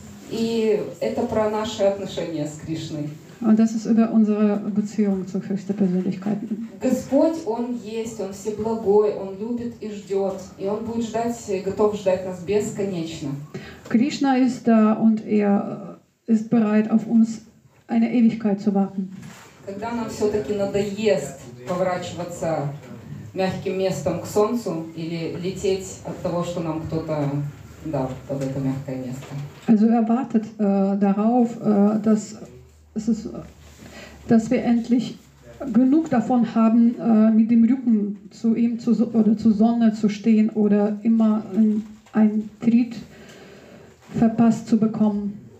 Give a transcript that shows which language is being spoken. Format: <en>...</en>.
<ru>И это про наши отношения с Кришной.</ru> <de>Und das ist über unsere Beziehung zur höchsten Persönlichkeit.</de> <ru>Господь, он есть, он всеблагой, он любит и ждёт, и он будет ждать, готов ждать нас бесконечно.</ru> <de>Krishna ist da und er ist bereit, auf uns eine Ewigkeit zu warten.</de> <ru>Когда нам всё-таки надоест поворачиваться мягким местом к солнцу или лететь от того, что нам кто-то дал под это мягкое место.</ru> <de>Also er wartet darauf, dass es ist, dass wir endlich genug davon haben, mit dem Rücken zu ihm oder zur Sonne zu stehen oder immer einen Tritt verpasst zu bekommen.</de>